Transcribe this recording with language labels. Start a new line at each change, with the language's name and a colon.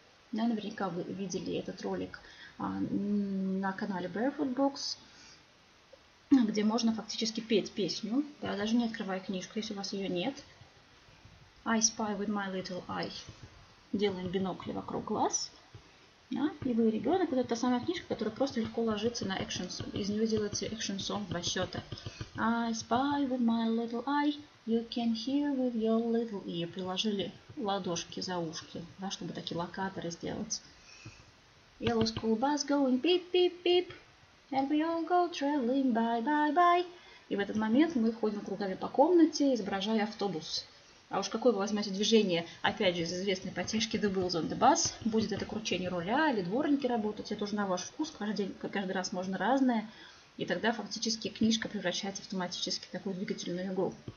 Russian: Да, наверняка вы видели этот ролик на канале Barefoot Books, где можно фактически петь песню, да, даже не открывая книжку, если у вас ее нет.
English: «I spy with my little eye».
Russian: Делаем бинокли вокруг глаз. Да? И вы ребенок, это та самая книжка, которая просто легко ложится на экшен, из нее делается экшен сон два счета.
English: I spy with my little eye, you can hear with your little ear.
Russian: Приложили ладошки за ушки, да, чтобы такие локаторы сделать.
English: Yellow school bus going beep, beep, beep, and we all go traveling, bye, bye, bye.
Russian: И в этот момент мы ходим кругами по комнате, изображая автобус. А уж какое вы возьмете движение, опять же, из известной потешки «The Wheels on the Bus», будет это кручение руля или дворники работать, это уже на ваш вкус, каждый раз можно разное, и тогда фактически книжка превращается автоматически в такую двигательную игру.